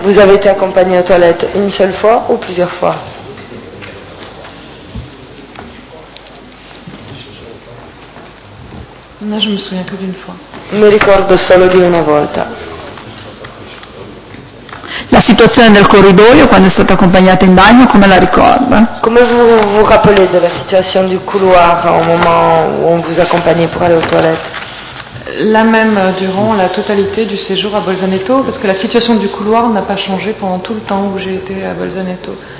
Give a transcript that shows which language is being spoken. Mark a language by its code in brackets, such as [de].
[fr] Vous avez accompagné aux toilettes une seule fois ou plusieurs fois? No, je me souviens que d'une fois. [it] Mi ricordo solo di una volta. La situazione del corridoio quando è stata accompagnata in bagno, come la ricorda? [fr] Come vous rappelez de la situation du couloir au moment où on vous accompagnait pour aller aux toilettes? La même durant la totalité du séjour à Bolzaneto, parce que la situation du couloir n'a pas changé pendant tout le temps où j'ai été à Bolzaneto.